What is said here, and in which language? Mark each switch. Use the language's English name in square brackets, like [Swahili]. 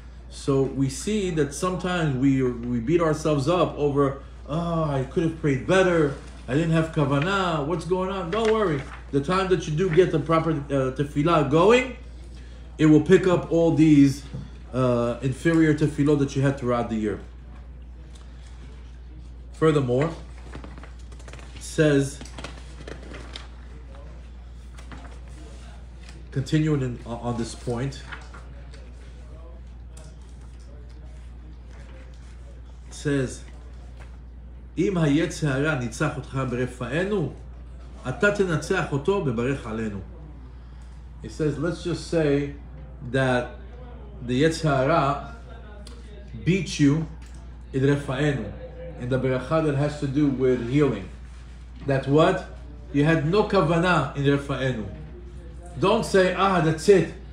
[English] So we see that sometimes we beat ourselves up over, oh, I could have prayed better, I didn't have kavanah, what's going on? Don't worry. The time that you do get the proper tefillah going, it will pick up all these inferior tefillot that you had throughout the year. Furthermore, it says, continuing on this point, it says, [Hebrew] אם היצר הרע ניצח אותך ברפאנו, אתה תנצח אותו בברך עלינו. [English] It says, let's just say that the Yetzer Hara beat you in Refa'enu, in the Berakha that has to do with healing. That what? You had no Kavana in Refa'enu. Don't say, ah, that's it.